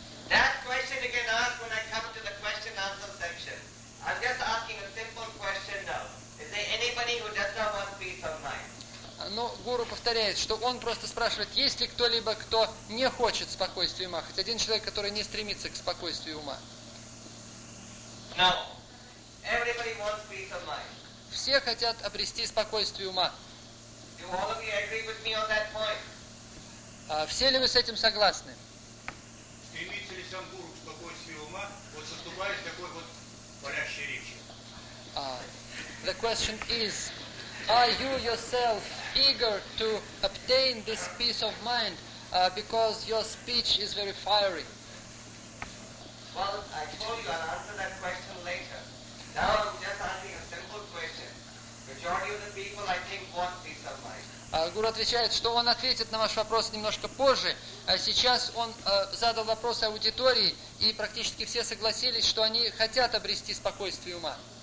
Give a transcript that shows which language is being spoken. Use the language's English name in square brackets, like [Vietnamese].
[English] That question you can ask when I come to the question answer section. I'm just asking a simple question now. Is there anybody who does not want peace of mind? [Russian] Но гуру повторяет, что он просто спрашивает, есть ли кто-либо, кто не хочет спокойствия ума, хоть один человек, который не стремится к спокойствию ума. [English] No. Everybody wants peace of mind. [Russian] Все хотят обрести спокойствие ума. [English] Do all of you agree with me on that point? [Russian] Все ли вы с этим согласны? Стремится ли сам гуру к спокойствию ума, вот выступая с такой вот палящей речи? [English] The question is, are you yourself eager to obtain this peace of mind because your speech is very fiery? Well, I told you I'll answer that question later. Now I'm just asking a simple question. Majority of the people, I think, want peace of mind. [Russian] Гуру отвечает, что он ответит на ваш вопрос немножко позже. А сейчас он задал вопрос аудитории, и практически все согласились, что они хотят обрести спокойствие ума.